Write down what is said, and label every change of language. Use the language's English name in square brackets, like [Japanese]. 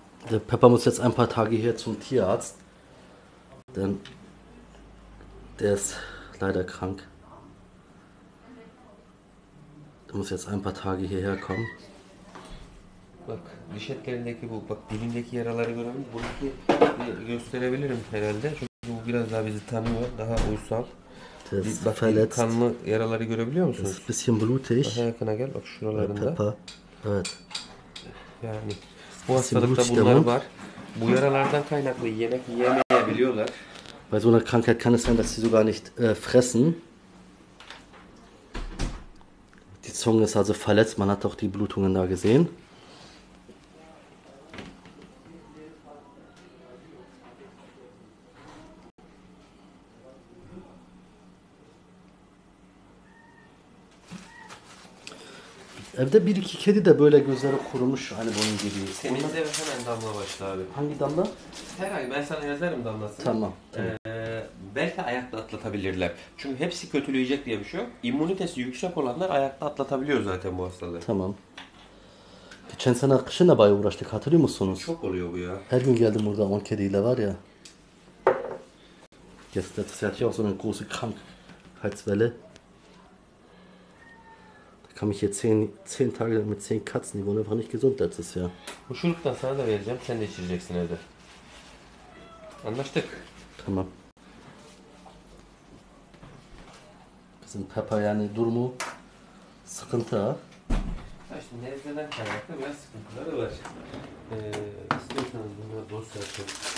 [German] Der Pepper muss jetzt ein paar Tage hier zum Tierarzt, denn der ist leider krank. Der muss jetzt ein paar Tage hierher kommen. [Turkish] Bak, dişetlerindeki bu, bak dilindeki yaraları görebilir. Buradaki gösterebilirim herhalde. Çünkü bu biraz daha bizi tanıyor, daha uysal. Bak, [German] verletzt. [Turkish] Bir kanlı yaraları görebiliyor musunuz? [German] Ein bisschen blutig. [Turkish] Daha yakına gel, bak şuralarında. Pepper. Evet. Yani bu hastalıkta bunlar var. Bu yaralardan kaynaklı yemek yiyemeyebiliyorlar. [German] Bei so einer Krankheit kann es sein, dass sie sogar nicht fressen. Die Zunge ist also verletzt. Man hat auch die Blutungen da gesehen. [Turkish] Evde bir iki kedi de böyle gözleri kurumuş hani bunun gibi. Temizle ve hemen damla başla abi. Hangi damla? Herhangi, ben sana yazarım damlasını. Tamam. Belki ayakta atlatabilirler. Çünkü hepsi kötüleyecek diye bir şey yok. İmmunitesi yüksek olanlar ayakta atlatabiliyor zaten bu hastalığı. Tamam. Geçen sene kışınla bayağı uğraştık, hatırlıyor musunuz? Çok oluyor bu ya. Her gün geldim burada on kediyle var ya. [German] Gestern hatte ich auch so eine große Krankheitswelle. Kam ich hier 10 Tage lang mit 10 Katzen, die wurden einfach nicht gesund letztes Jahr. [Turkish] Bu şuruktan sana da vereceğim, sen de içireceksin evde. Anlaştık. Tamam. Bizim Pepper yani durumu sıkıntı ha. İşte nezleden kaynaklı biraz sıkıntıları var. İsterseniz bunları dosya açalım.